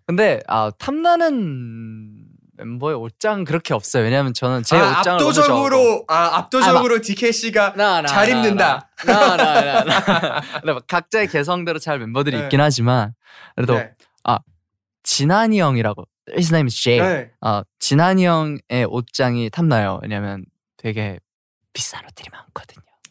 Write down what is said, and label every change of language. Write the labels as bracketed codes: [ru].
[ko] 근데 탐나는 멤버의 옷장 그렇게 없어요. 왜냐면 저는 제 옷장을 압도적으로 압도적으로 DK 씨가 잘 입는다. 나. 각자의 개성대로 잘 멤버들이 네. 있긴 하지만 그래도 네. 진한이 형이라고 [en] His name is Jay. [ko] 네. 진한이 형의 옷장이 탐나요. 왜냐면 되게 비싼 옷들이 많거든요.